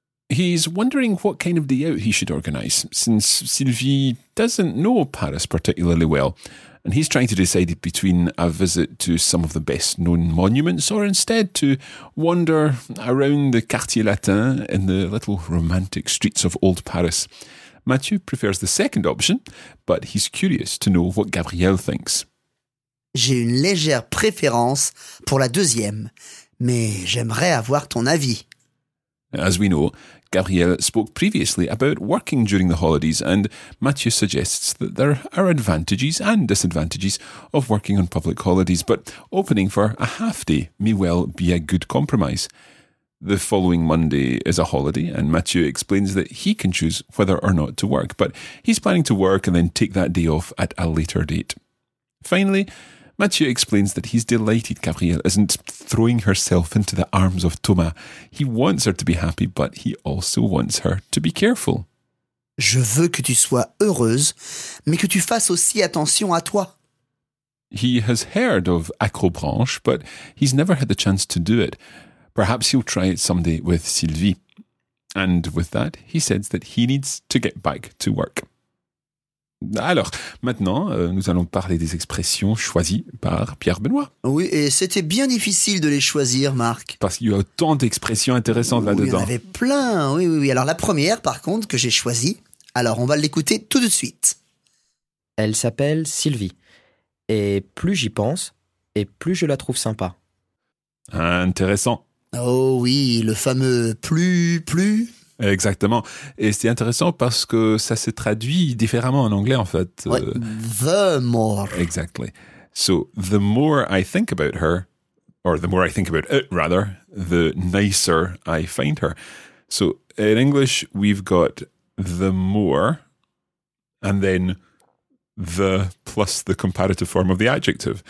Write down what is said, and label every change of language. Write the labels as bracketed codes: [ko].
[en] He's wondering what kind of day out he should organise, since Sylvie doesn't know Paris particularly well, and he's trying to decide between a visit to some of the best-known monuments or instead to wander around the Quartier Latin in the little romantic streets of old Paris. Mathieu prefers the second option, but he's curious to know what Gabrielle thinks. [fr] J'ai une légère préférence pour la deuxième, mais j'aimerais avoir ton avis. [en] As we know, Gabrielle spoke previously about working during the holidays, and Mathieu suggests that there are advantages and disadvantages of working on public holidays, but opening for a half day may well be a good compromise. The following Monday is a holiday, and Mathieu explains that he can choose whether or not to work, but he's planning to work and then take that day off at a later date. Finally, Mathieu explains that he's delighted Gabrielle isn't throwing herself into the arms of Thomas. He wants her to be happy, but he also wants her to be careful. [fr] Je veux que tu sois heureuse, mais que tu fasses aussi attention à toi. [en] He has heard of acrobranche, but he's never had the chance to do it. Perhaps he'll try it someday with Sylvie. And with that, he says that he needs to get back to work. [fr] Alors, maintenant, nous allons parler des expressions choisies par Pierre Benoît. Oui, et c'était bien difficile de les choisir, Marc. Parce qu'il y a tant d'expressions intéressantes oui, là-dedans. Il y en avait plein, oui, oui, oui. Alors la première, par contre, que j'ai choisie, alors on va l'écouter tout de suite. Elle s'appelle Sylvie. Et plus j'y pense, et plus je la trouve sympa. Intéressant. Oh oui, le fameux « plus ». Exactement. Et c'est intéressant parce que ça se traduit différemment en anglais, en fait. [en] Ouais, the more. Exactly. So, the more I think about her, or the more I think about it, rather, the nicer I find her. So, in English, we've got the more, and then the plus the comparative form of the adjective.